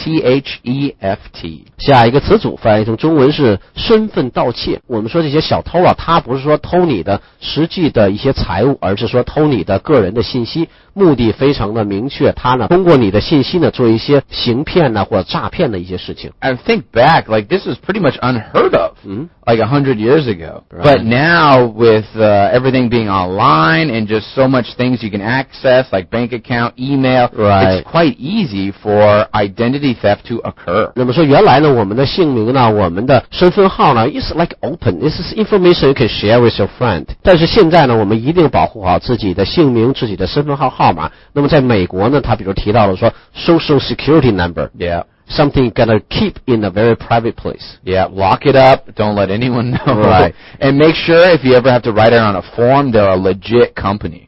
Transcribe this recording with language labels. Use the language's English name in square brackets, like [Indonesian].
[English] theft。 [Chinese] 下一个词组翻译成中文是身份盗窃。我们说这些小偷啊，他不是说偷你的实际的一些财物，而是说偷你的个人的信息，目的非常的明确，他呢通过你的信息呢做一些行骗呢或者诈骗的一些事情。 [English] And think back, like this is pretty much unheard of、 mm-hmm. like 100 years ago、 right. but now with、everything being online and just so much things you can access like bank account, email、 right. it's quite easy for identity theft to occur. [Chinese] 那么说原来呢我们的姓名呢我们的身份号呢 [English] it's like open, this is information you can share with your friend. [Chinese] 但是现在呢我们一定保护好自己的姓名自己的身份号号码。那么在美国呢他比如提到了说 social security number [English] yeah something you gotta keep in a very private place yeah lock it up don't let anyone know right and make sure if you ever have to write it on a form they're a legit company